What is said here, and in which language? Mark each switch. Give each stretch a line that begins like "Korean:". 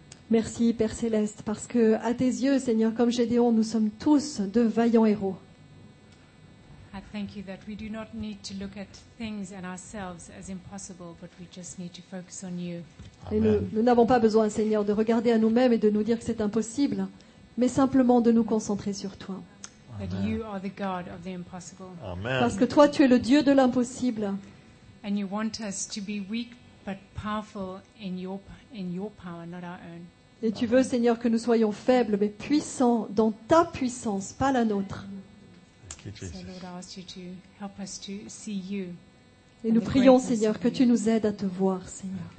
French: Merci, Père Céleste, parce que à tes yeux, Seigneur, comme Gédéon, nous sommes tous de vaillants héros.
English: I thank you that we do not need to look at things and ourselves as impossible, but we just need to focus on you.
French: Et nous n'avons pas besoin, Seigneur, de regarder à nous-mêmes et de nous dire que c'est impossible, mais simplement de nous concentrer sur toi.
English: That you are the God of the impossible. Amen.
French: Parce que toi, tu es le Dieu de l'impossible.
English: And you want us to be weak but powerful in your power, not our own.
French: Et tu veux, Seigneur, que nous soyons faibles, mais puissants dans ta puissance, pas la nôtre.
English: So, Lord, I ask you to help us to see you.
French: Et nous prions, Seigneur, que tu nous aides à te voir, Seigneur.